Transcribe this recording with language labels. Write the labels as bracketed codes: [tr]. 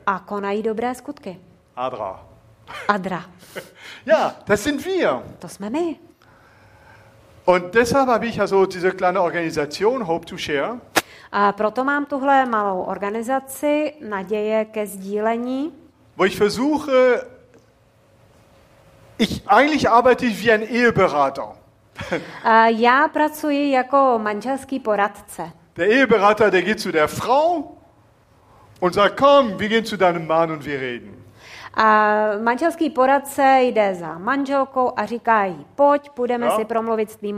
[cs] A konají dobré skutky. [de] Adra. Ja, das sind wir. [cs] To jsme my. [de] Und deshalb habe ich also diese kleine Organisation Hope to Share. [cs] A proto mám tuhle malou organizaci Naděje ke sdílení. [de] Wo ich versuche, eigentlich arbeite ich wie ein Eheberater. [cs] A já pracuji jako manželský poradce. [de] Der Eheberater, der geht zu der Frau und sagt, komm, wir gehen zu deinem Mann und wir reden. [cs] A manželský poradce jde za manželkou a říká jí, pojď, půjdeme si promluvit s tvým